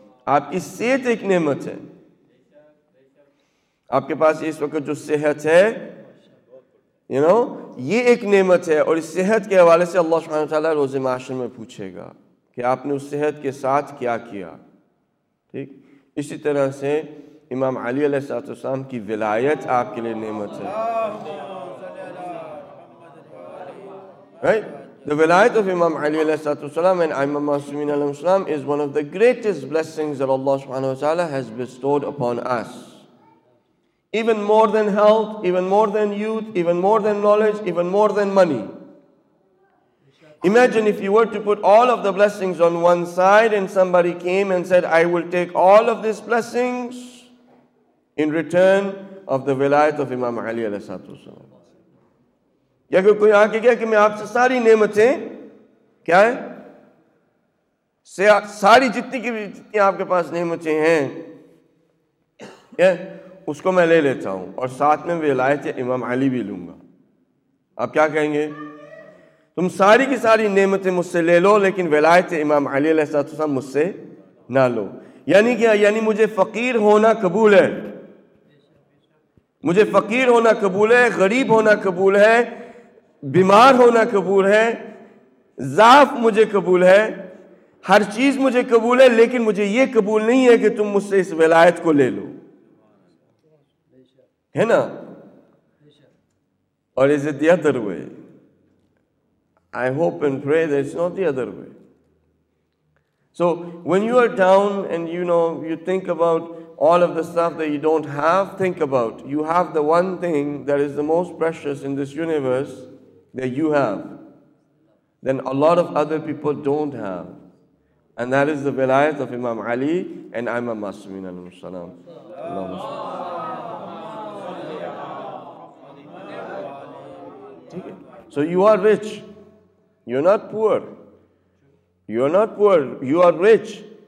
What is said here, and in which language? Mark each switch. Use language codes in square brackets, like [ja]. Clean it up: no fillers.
[ur] آپ کی صحت ایک نعمت ہے, آپ کے پاس اس وقت جو صحت ہے یہ ایک نعمت ہے, اور اس صحت کے حوالے سے اللہ سبحانہ وتعالیٰ روز معاشر میں پوچھے گا کہ آپ نے اس صحت کے ساتھ کیا کیا. ٹھیک, اسی طرح سے امام علی علیہ الصلوۃ والسلام کی ولایت آپ کے لیے نعمت ہے. [en] The ولایت of Imam Ali علیہ الصلوۃ والسلام and امام معصومین علیہ السلام is one of the greatest blessings that Allah سبحانہ وتعالیٰ has bestowed upon us. Even more than health, even more than youth, even more than knowledge, even more than money. Imagine if you were to put all of the blessings on one side and somebody came and said, I will take all of these blessings in return of the ولایت of Imam Ali علیہ الصلوۃ والسلام. [ur] یا کوئی آ کے کیا کہ میں آپ سے ساری نعمتیں کیا ہے, ساری جتنی کی بھی جتنی آپ کے پاس نعمتیں ہیں کیا اس کو میں لے لیتا ہوں اور ساتھ میں ولایت امام علی بھی لوں گا, آپ کیا کہیں گے؟ تم ساری کی ساری نعمتیں مجھ سے لے لو لیکن ولایت امام علی علیہ الصلوۃ والسلام مجھ سے نہ لو. یعنی کیا؟ یعنی مجھے فقیر ہونا قبول ہے, مجھے فقیر ہونا قبول ہے, غریب ہونا قبول ہے, بیمار ہونا قبول ہے, ضعف مجھے قبول ہے, ہر چیز مجھے قبول ہے, لیکن مجھے یہ قبول نہیں ہے کہ تم مجھ سے اس ولایت کو لے لو, ہے نا؟ [en] اور is it the other way? [ur] I hope and پرے that it's not the other way. [en] So when you are down and you know you think about all of the stuff that you don't have, think about. You have the one thing that is the most precious in this universe that you have, then a lot of other people don't have. And that is the ولایت of Imam Ali and Imam Masumin alayhi salam. [ar] Allahumma salli ala Muhammadin wa ala Ali Muhammad. [en] So you are rich. You're not poor. You're not poor. You are rich.